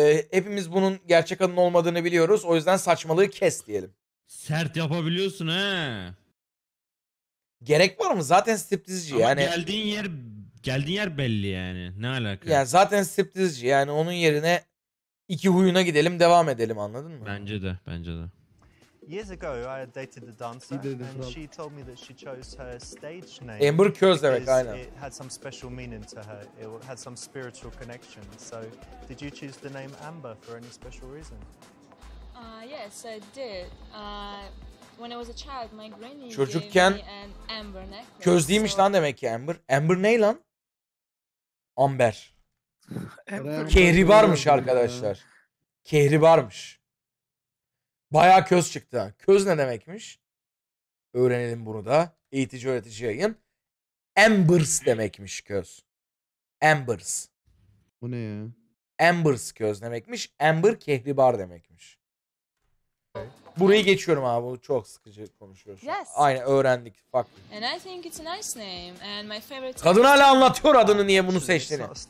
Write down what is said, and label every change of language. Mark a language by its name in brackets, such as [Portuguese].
[Turkish] Hepimiz bunun gerçek adının olmadığını biliyoruz. O yüzden saçmalığı kes diyelim. Sert yapabiliyorsun he. Gerek var mı? Zaten striptizci yani. Ama geldiğin yer belli yani. Ne alaka? Ya zaten striptizci yani, onun yerine iki huyuna gidelim, devam edelim, anladın mı? Bence de. [English] Years ago I dated a dancer and she told me that she chose her stage name. Amber [Turkish] Közlemek, aynen. [English] It had some special meaning to her. It had some spiritual connection. So did you choose the name Amber for any special reason? Yes, I did. When I was a child, my granny [Turkish] çocukken [English] gave me an Amber necklace. [Turkish] Közlüymüş lan demek ki Amber. Amber ne lan? Amber. Kehribarmış arkadaşlar. Kehribarmış. Bayağı köz çıktı. Köz ne demekmiş? Öğrenelim bunu da. Eğitici öğretici yayın. Ambers demekmiş köz. Ambers. Bu ne ya? Ambers köz demekmiş. Amber kehribar demekmiş. Burayı geçiyorum abi. Çok sıkıcı konuşuyorsun. [English] Yes. [Turkish] Aynen öğrendik. Bak. [English] And I think it's a nice name and my favorite. [Turkish] Kadın hala anlatıyor adını, niye bunu seçtiğini.